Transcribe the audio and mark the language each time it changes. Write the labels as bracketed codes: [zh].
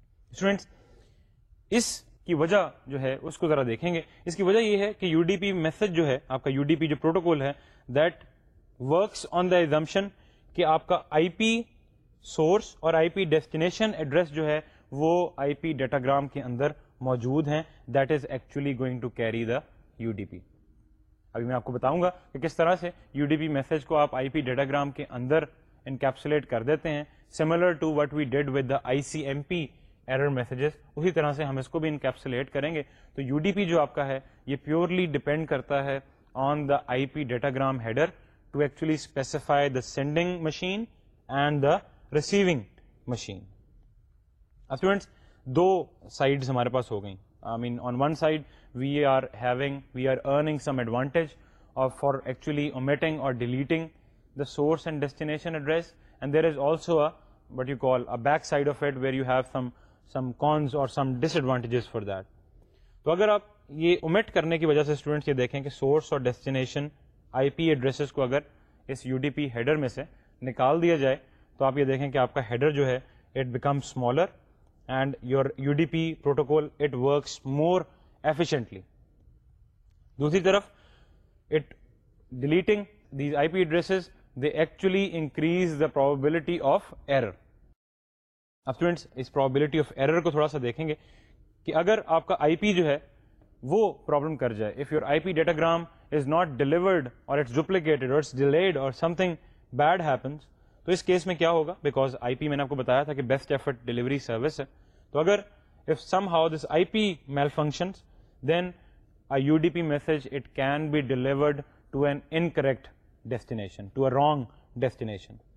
[ur] Students اس کی وجہ جو ہے اس کو ذرا دیکھیں گے. اس کی وجہ یہ ہے کہ یو ڈی پی میسج جو ہے آپ کا یو ڈی پی جو پروٹوکول ہے [en] that works on the assumption [ur] کہ آپ کا آئی پی سورس اور آئی پی ڈیسٹینیشن ایڈریس جو ہے وہ آئی پی ڈیٹاگرام کے اندر موجود ہیں. [en] That is actually going to carry the U D P. [ur] ابھی میں آپ کو بتاؤں گا کہ کس طرح سے یو ڈی پی میسج کو آپ آئی پی ڈیٹاگرام کے اندر انکیپسولیٹ کر دیتے ہیں [en] Similar to what we did with the I C M P error messages. [ur] اسی طرح سے ہم اس کو بھی انکیپسولیٹ کریں گے. تو یو ڈی پی جو آپ کا ہے یہ پیورلی ڈپینڈ کرتا ہے [en] On the I P datagram header to actually specify the sending machine and the receiving machine. [ur] Students do sides ہمارے پاس ہو گئیں. [en] I mean on one side we are earning some advantage of for actually omitting اور deleting the source and destination address and there is also what you call a back side of it where you have some cons اور some disadvantages for that. [ur] تو اگر آپ یہ omit کرنے کی وجہ سے اسٹوڈنٹس یہ دیکھیں کہ سورس اور ڈیسٹینیشن آئی پی ایڈریسز کو اگر اس یو ڈی پی ہیڈر میں سے نکال دیا جائے تو آپ یہ دیکھیں کہ آپ کا ہیڈر جو ہے [en] It becomes smaller and your U D P protocol it works more efficiently. [ur] دوسری طرف [en] It deleting these I P addresses they actually increase the probability of error. [ur] اب students اس probability of error کو تھوڑا سا دیکھیں گے کہ اگر آپ کا آئی پی جو ہے وہ پرابلم کر جائے [en] if your I P datagram is not delivered اور it's duplicated اور it's delayed اور something bad happens [ur] تو اس کیس میں کیا ہوگا. بیکاز آئی پی میں نے آپ کو بتایا تھا کہ بیسٹ ایفرٹ ڈیلیوری سروس ہے تو اگر [en] If somehow this I P malfunctions then a U D P message it can be delivered to an incorrect destination to a wrong destination.